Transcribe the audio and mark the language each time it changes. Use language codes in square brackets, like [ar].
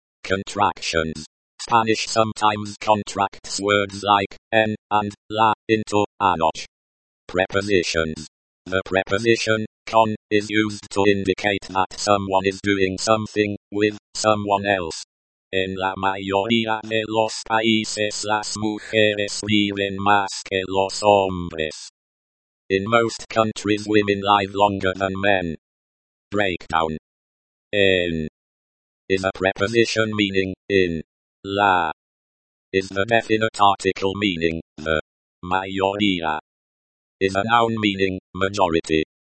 [en] Contractions. Spanish sometimes contracts words like en and la into anoche. Prepositions. The preposition con is used to indicate that someone is doing something with someone else. [es] En la mayoría de los países las mujeres viven más que los hombres. [en] In most countries women live longer than men. Breakdown. En is a preposition meaning in. La is the definite article meaning the. Mayoría is a noun meaning majority.